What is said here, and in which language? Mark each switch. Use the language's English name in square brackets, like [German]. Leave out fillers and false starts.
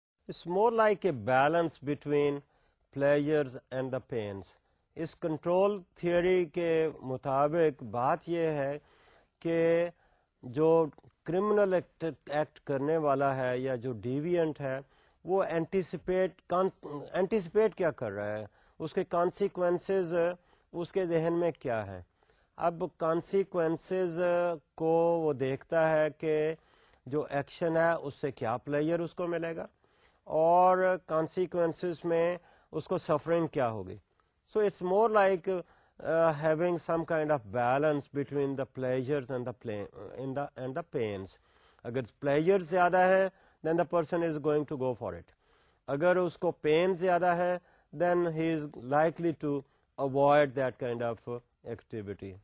[English] It's more like a balance between pleasures and the pains. [Urdu] Is control theory ke mutabik baat ye hai کہ جو criminal act کرنے والا ہے یا جو ڈیوینٹ ہے وہ انٹیسپیٹ کیا کر رہا ہے, اس کے کانسیکوینسز اس کے ذہن میں کیا ہیں. اب کانسیکوینسز کو وہ دیکھتا ہے کہ جو ایکشن ہے اس سے کیا پلیئر اس کو ملے گا, اور کانسیکوینسز میں اس کو سفرنگ کیا ہوگی. [English] So it's more like having some kind of balance between the pleasures and the pains. [Urdu] Agar pleasures zyada hai, [English] then the person is going to go for it. [Urdu] Agar usko pain zyada hai, [English] then he is likely to avoid that kind of activity.